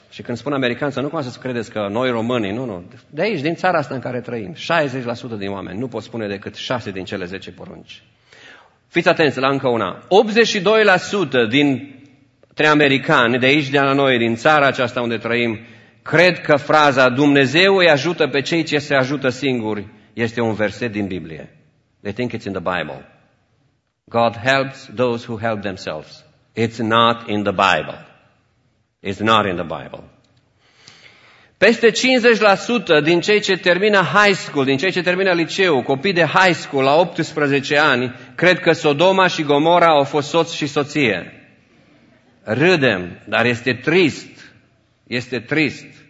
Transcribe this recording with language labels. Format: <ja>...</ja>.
<ro>Și când spun americani, să nu cum să credeți că noi românii, nu, nu, de aici, din țara asta în care trăim, 60% din oameni nu pot spune decât 6 din cele 10 porunci. Fiți atenți la încă una. 82% dintre americani, de aici, de la noi, din țara aceasta unde trăim, cred că fraza Dumnezeu îi ajută pe cei ce se ajută singuri este un verset din Biblie.</ro> <en>They think it's in the Bible. God helps those who help themselves. It's not in the Bible. It's not in the Bible.</en> <ro>Peste 50% din cei ce termină high school, din cei ce termină liceu, copii de high school la 18 ani, cred că Sodoma și Gomora au fost soț și soție. Râdem, dar este trist. Este trist.</ro>